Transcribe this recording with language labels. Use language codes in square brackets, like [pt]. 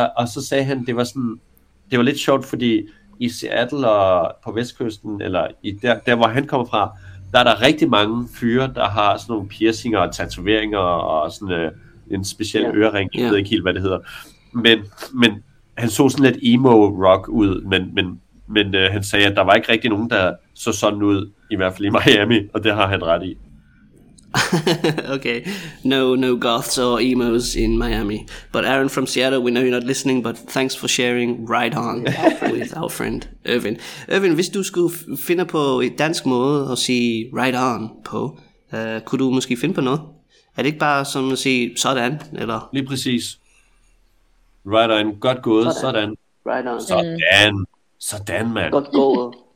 [da] Og så sagde han, det var lidt sjovt, fordi i Seattle og på Vestkysten, eller der hvor han kommer fra, der er der rigtig mange fyre, der har sådan nogle piercinger og tatoveringer og sådan en speciel ørering, jeg ved ikke helt, hvad det hedder. Men han så sådan lidt emo-rock ud, men han sagde, at der var ikke rigtig nogen, der så sådan ud, i hvert fald i Miami, og det har han ret i. [en] Okay, no goths or emos in Miami. But Aaron from Seattle, we know you're not listening, but thanks for sharing right on with our friend Ervin. [da] Ervin, hvis du skulle finde på et dansk måde at sige right on på, kunne du måske finde på noget? Er det ikke bare som at sige sådan? Eller? Lige præcis. Right on. Godt gået. Sådan. [en] Right on. [da] Sådan. Sådan, mand. Godt gået.